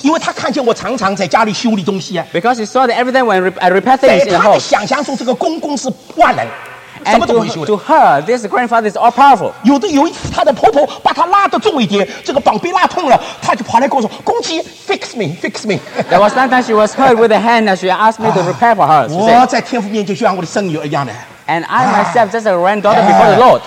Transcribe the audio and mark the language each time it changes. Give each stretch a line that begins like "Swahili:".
Chinese: 因为他看见我常常在家里修理东西啊。
English: Because he saw that every time when I repair things in the house.
Chinese: 在他的想象中，这个公公是万能。
English: And to her, this grandfather is all powerful.
Chinese: 有一次她的婆婆把她拉得重一点，这个膀臂拉痛了，她就跑来跟我说：“公鸡 ，
English: fix me, fix me. There was one time she was hurt with a hand and she asked me to repair for her.
Chinese: 我在天父面前就像我的生女儿一样的。
English: And I myself just a granddaughter before the Lord.